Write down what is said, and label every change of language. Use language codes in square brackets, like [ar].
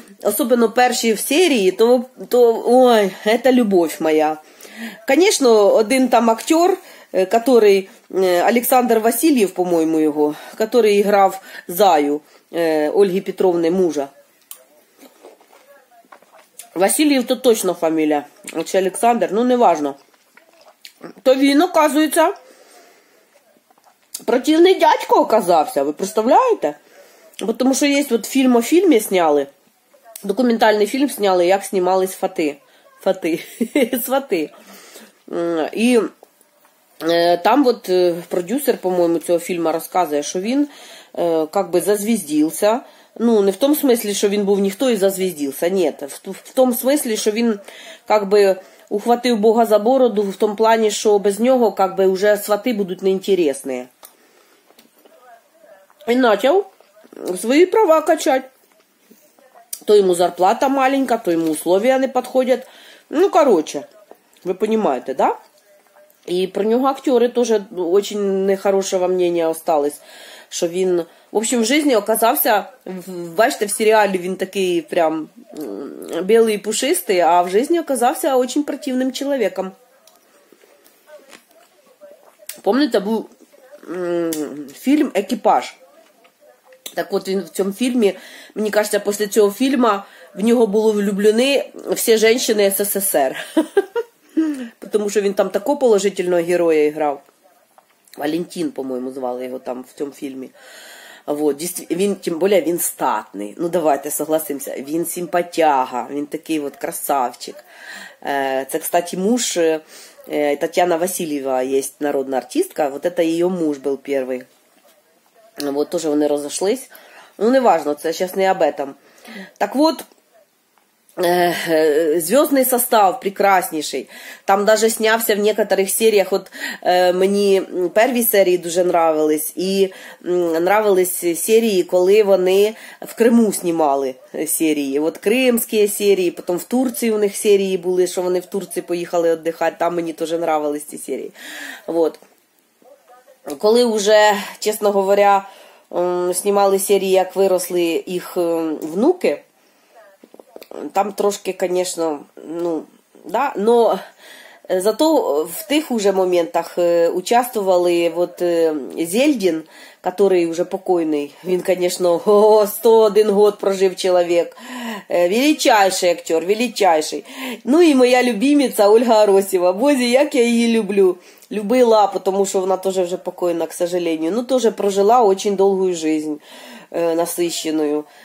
[ru] Особенно перші в серии, то ой, это любовь моя. Конечно, один там актер, который Александр Васильев, по-моему, его, который играл Заю. Ольги Петровны мужа. Васильев то точно фамилия. А чи Александр, ну не важно. [uk] То він, оказується, противний дядько оказався, ви представляєте? Потому що є от фільм о фільмі сняли. Документальний фільм сняли, як знімались фати. Фати. Свати. І там от продюсер, по-моєму, цього фільму розказує, що він как бы зазвездился. [ru] Ну, не в том смысле, что он был никто и зазвездился. Нет. В том смысле, что он как бы ухватил Бога за бороду в том плане, что без него как бы уже сваты будут неинтересны. И начал свои права качать. То ему зарплата маленькая, то ему условия не подходят. Ну, короче, вы понимаете, да? И про него актеры тоже очень нехорошего мнения осталось. [uk] Що він, в общем, в житті оказався, бачите, в серіалі він такий прям білий і пушистий, а в житті оказався дуже противним чоловіком. Пам'ятаєте, був фільм «Екіпаж». Так от він в цьому фільмі, мені кажеться, після цього фільму в нього були влюблені всі жінки СССР. Тому що він там такого положительного героя грав. Валентин, по-моєму, звали його там в цьому фільмі. Вот. Він, тим більше, він статний. Ну, давайте согласимося. Він симпатяга, він такий от красавчик. Це, кстати, муж Тетяна Васильєва, є народна артистка. [ru] Вот это ее муж был первый. [uk] Вот тоже вони розійшлись. [ru] Ну, неважно, [uk] це зараз [ru] не об этом. Так вот, звездный состав прекраснейший. Там даже снявся в некоторых сериях. [uk] Вот мені перві серії дуже нравились. І нравились серії, коли вони в Криму знімали серії. От кримські серії, потім в Турції у них серії були, що вони в Турції поїхали віддихати. Там мені дуже нравились ці серії. Вот. Коли вже, чесно говоря, знімали серії, як виросли їх внуки, там трошки, звісно, ну, да, но зато в тих уже моментах участвували вот Зельдін, который уже покойний, він, звісно, 101 год прожив чоловік, [ru] величайший актер, величайший. [uk] Ну і моя любимиця Ольга Аросєва, Бозі, як я її люблю. [ru] Любила, потому что она тоже уже покойна, к сожалению. Ну, тоже прожила очень долгую жизнь, насыщенную.